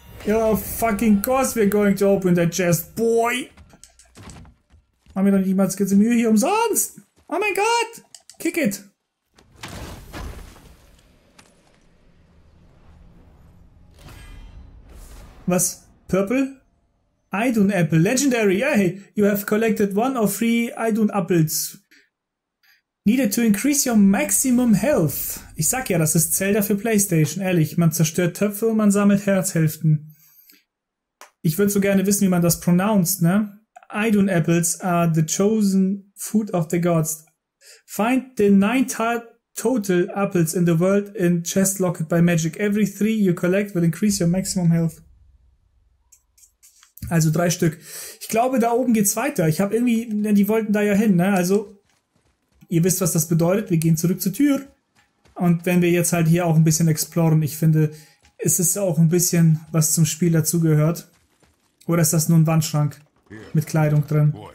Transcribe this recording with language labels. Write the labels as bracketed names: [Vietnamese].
[English] Oh, fucking course we're going to open that chest, boy. [German] Haben wir doch niemals ganze Mühe hier umsonst. Oh mein Gott. [English] Kick it. Was? Purple? Idun Apple. Legendary. Hey, you have collected one of three Idun Apples. Needed to increase your maximum health. [German] Ich sag ja, das ist Zelda für PlayStation. Ehrlich, man zerstört Töpfe und man sammelt Herzhälften. Ich würde so gerne wissen, wie man das pronounced, ne? [English] Idun Apples are the chosen food of the gods. Find the 9 total apples in the world in chest locked by magic. Every three you collect will increase your maximum health. [German] Also 3 Stück. Ich glaube, da oben geht's weiter. Ich habe irgendwie, denn die wollten da ja hin, ne? Also, ihr wisst, was das bedeutet. Wir gehen zurück zur Tür. Und wenn wir jetzt halt hier auch ein bisschen exploren, ich finde, es ist auch ein bisschen, was zum Spiel dazugehört. Oder ist das nur ein Wandschrank mit Kleidung drin?